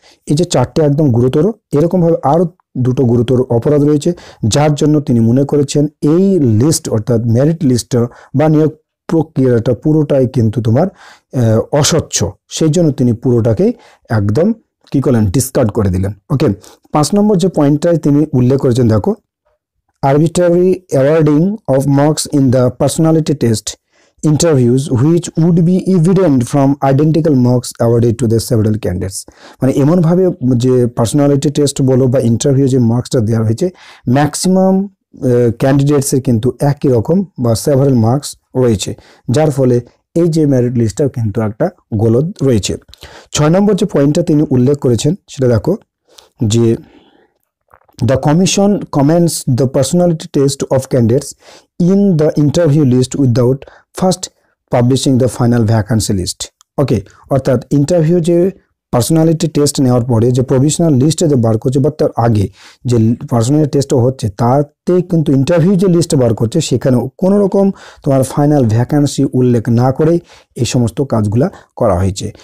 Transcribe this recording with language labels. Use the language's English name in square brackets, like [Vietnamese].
[Bangla] এই যে 4টে একদম গুরুতর, এরকমভাবে আরও 2টো গুরুতর অপরাধ রয়েছে যার জন্য তিনি মনে করেছেন এই লিস্ট, অর্থাৎ মেরিট লিস্ট বা নিয়োগ প্রক্রিয়াটা পুরোটাই কিন্তু তোমার অস্বচ্ছ, সেই জন্য তিনি পুরোটাকেই একদম কী করলেন, ডিসকার্ড করে দিলেন। ওকে, 5 নম্বর যে পয়েন্টটাই তিনি উল্লেখ করেছেন, দেখো, [English] Arbitrary awarding of marks in the personality test interviews which would be evident from identical mocks awarded to the several candidates. [Bangla] মানে এমন ভাবে যে পার্সোনালিটি টেস্ট বলো বা ইন্টারভিউ যে মার্কসটা দেওয়া হয়েছে ম্যাক্সিমাম ক্যান্ডিডেটসের কিন্তু একই রকম বা সেভারাল মার্কস রয়েছে যার ফলে এই যে মেরিট লিস্টটাও কিন্তু একটা গোলদ রয়েছে। ছয় নম্বর যে পয়েন্টটা তিনি উল্লেখ করেছেন সেটা দেখো যে [English] The commission comments the personality test of candidates in the interview list without first publishing the final vacancy list. [Bangla] Okay, অর্থাৎ ইন্টারভিউ যে পার্সোনালিটি টেস্ট নেওয়ার পরে যে প্রভিশনাল লিস্ট যে বার করছে বা তার আগে যে পার্সোনালিটি টেস্ট হচ্ছে তাতে কিন্তু ইন্টারভিউ যে লিস্ট বার করছে সেখানে কোনো রকম তোমার ফাইনাল ভ্যাকান্সি উল্লেখ না করেই এই সমস্ত কাজগুলো করা হয়েছে।